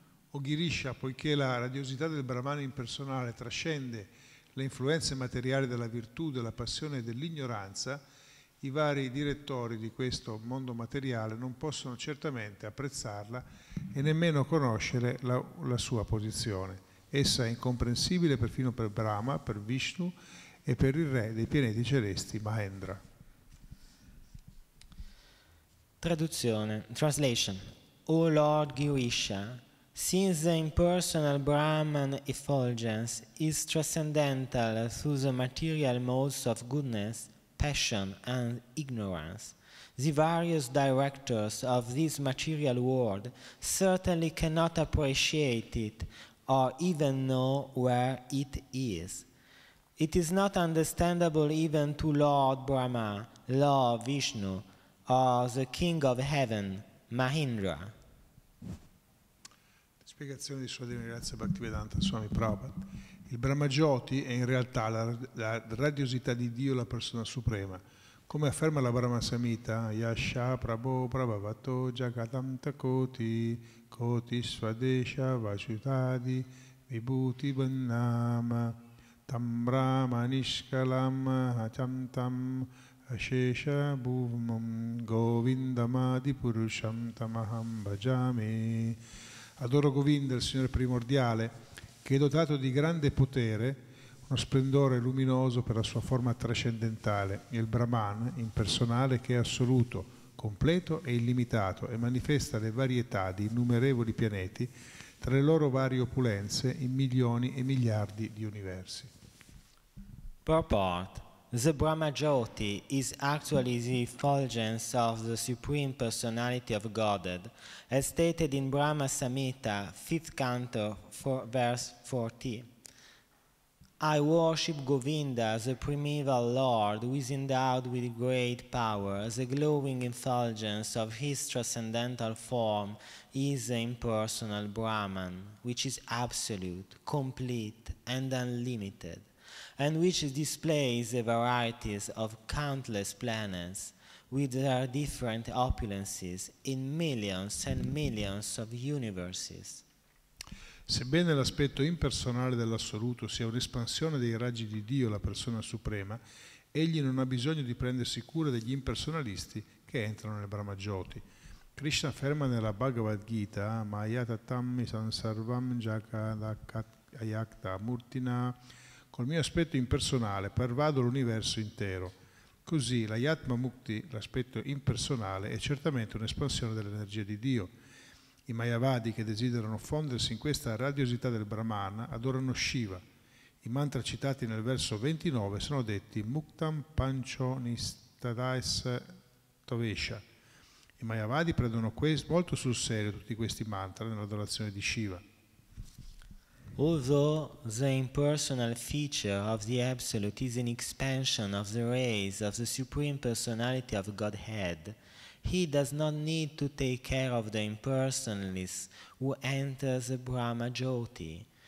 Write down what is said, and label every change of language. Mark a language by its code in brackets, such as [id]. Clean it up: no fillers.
[it] O Girisha, poiché la radiosità del Brahman impersonale trascende le influenze materiali della virtù, della passione e dell'ignoranza, i vari direttori di questo mondo materiale non possono certamente apprezzarla e nemmeno conoscere la sua posizione. Essa è incomprensibile perfino per Brahma, per Vishnu e per il re dei pianeti celesti, Mahendra. Traduzione. [en] Translation. O Lord Girisha, since the impersonal Brahman effulgence is transcendental through the material modes of goodness, passion and ignorance, the various directors of this material world certainly cannot appreciate it or even know where it is. It is not understandable even to Lord Brahma, Lord Vishnu, or the King of Heaven, Mahindra. [it] Spiegazione di Sua Divinità Bhaktivedanta Swami Prabhupada. Il Brahma Jyoti è in realtà la radiosità di Dio, la Persona Suprema. Come afferma la Brahma Samhita, [sa] Yasha Prabho Prabhavato Jagatam Takoti Koti Svadesha Vasutadi Vibhuti Vannama Tam Brahma Nishkalam Achantam Ashesha Bhuvam Govindam Adipurusham Tamaham Bhajami. [it] Adoro Govinda, il Signore Primordiale, che è dotato di grande potere, uno splendore luminoso per la sua forma trascendentale, il Brahman, impersonale, che è assoluto, completo e illimitato e manifesta le varietà di innumerevoli pianeti tra le loro varie opulenze in milioni e miliardi di universi. [en] Purport. The Brahma Jyoti is actually the effulgence of the Supreme Personality of Godhead, as stated in Brahma Samhita, 5th canto, verse 40. I worship Govinda, the primeval Lord, who is endowed with great power. The glowing effulgence of his transcendental form is the impersonal Brahman, which is absolute, complete, and unlimited, and which displays the varieties of countless planets with their different opulences in millions and millions of universes. [it] Sebbene l'aspetto impersonale dell'assoluto sia un'espansione dei raggi di Dio, la Persona Suprema, egli non ha bisogno di prendersi cura degli impersonalisti che entrano nel Brahma Jyoti. Krishna afferma nella Bhagavad Gita [sa] Mayatatami Sansarvam Jagadakayakta Murtina. [it] Col mio aspetto impersonale pervado l'universo intero. Così la Yatma Mukti, l'aspetto impersonale, è certamente un'espansione dell'energia di Dio. I Mayavadi che desiderano fondersi in questa radiosità del Brahman adorano Shiva. I mantra citati nel verso 29 sono detti Muktam Pancho Nistadais Tovesha. I Mayavadi prendono molto sul serio tutti questi mantra nell'adorazione di Shiva. [en] Although the impersonal feature of the Absolute is an expansion of the rays of the Supreme Personality of Godhead, he does not need to take care of the impersonalist who enters the Brahma Jyoti.